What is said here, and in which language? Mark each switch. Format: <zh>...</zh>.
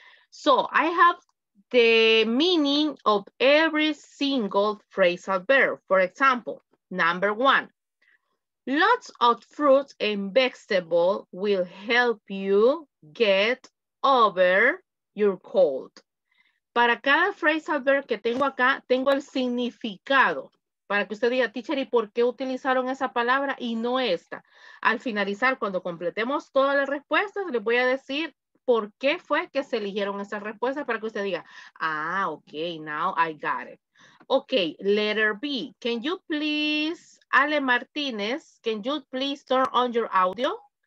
<en>So I have the meaning of every single phrasal verb. For example, number one, lots of fruits and vegetables will help you get over your cold.</en> <es>Para cada phrasal verb que tengo acá, tengo el significado. Para que usted diga, teacher, ¿y por qué utilizaron esa palabra y no esta? Al finalizar, cuando completemos todas las respuestas, les voy a decir por qué fue que se eligieron esas respuestas para que usted diga, ah, ok,</es> <en>now I got it. Ok, letter B. Can you please, Ale Martínez, can you please turn on your audio?</en>